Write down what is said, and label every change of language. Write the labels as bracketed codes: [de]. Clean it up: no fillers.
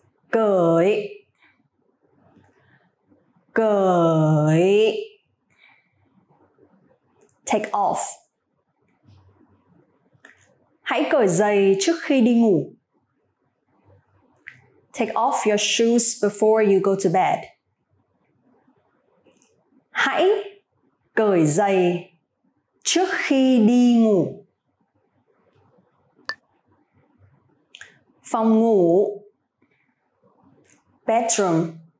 [vi] Cởi. Cởi. [en] Take off. [vi] Hãy cởi giày trước khi đi ngủ. [en] Take off your shoes before you go to bed. [vi] Hãy cởi giày trước khi đi ngủ. Phòng ngủ. [en] Bedroom.